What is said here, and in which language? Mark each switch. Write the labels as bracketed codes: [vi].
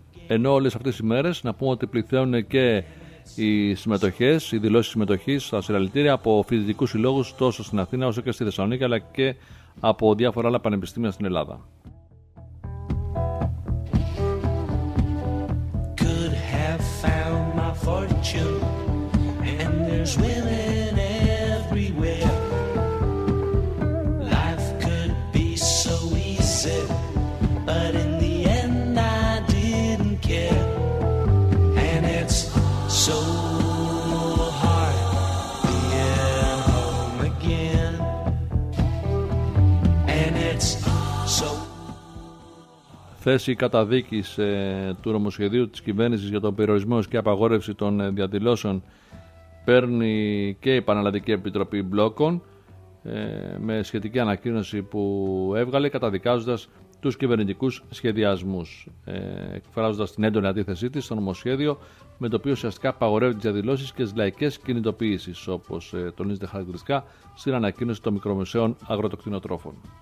[el] Ενώ όλες αυτές τις μέρες να πούμε ότι πληθαίνουν και οι συμμετοχές, οι δηλώσεις συμμετοχής στα συλλαλητήρια από φοιτητικούς συλλόγους τόσο στην Αθήνα όσο και στη Θεσσαλονίκη αλλά και από διάφορα άλλα πανεπιστήμια στην Ελλάδα. [en] Could have found my fortune, and there's women everywhere. Life could be so easy, but in the end I didn't care. And it's so hard being home again. And it's so [el] θέση καταδίκης του νομοσχεδίου της κυβέρνησης για τον περιορισμό και απαγόρευση των διαδηλώσεων παίρνει και η Πανελλαδική Επιτροπή Μπλόκων με σχετική ανακοίνωση που έβγαλε καταδικάζοντας τους κυβερνητικούς σχεδιασμούς, εκφράζοντας την έντονη αντίθεσή της στο νομοσχέδιο με το οποίο ουσιαστικά απαγορεύει τις διαδηλώσεις και τις λαϊκές κινητοποιήσεις, όπως τονίζεται χαρακτηριστικά στην ανακοίνωση των μικρομεσαίων αγροτοκτηνοτρόφων.